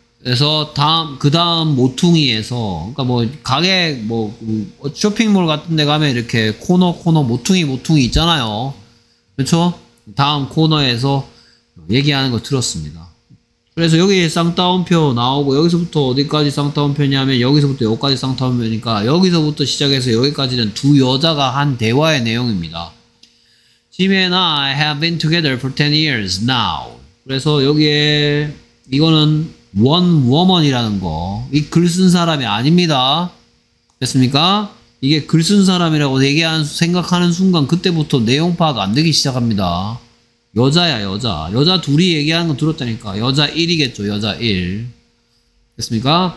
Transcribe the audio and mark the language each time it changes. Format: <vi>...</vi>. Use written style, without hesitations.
<ko>그래서 다음 그 다음 모퉁이에서 그러니까 뭐 가게 뭐 쇼핑몰 같은 데 가면 이렇게 코너 코너 모퉁이 있잖아요. 그렇죠? 다음 코너에서 얘기하는 거 들었습니다. 그래서 여기 쌍따옴표 나오고 여기서부터 어디까지 쌍따옴표냐면 여기서부터 여기까지 쌍따옴표니까 여기서부터 시작해서 여기까지는 두 여자가 한 대화의 내용입니다.</ko> <en>Jim and I have been together for 10 years now.</en> <ko>그래서 여기에 이거는 one woman 이라는 거. 이 글 쓴 사람이 아닙니다. 됐습니까? 이게 글 쓴 사람이라고 얘기하는, 생각하는 순간 그때부터 내용 파악 안 되기 시작합니다. 여자야, 여자. 여자 둘이 얘기하는 거 들었다니까. 여자 1이겠죠, 여자 1. 됐습니까?</ko>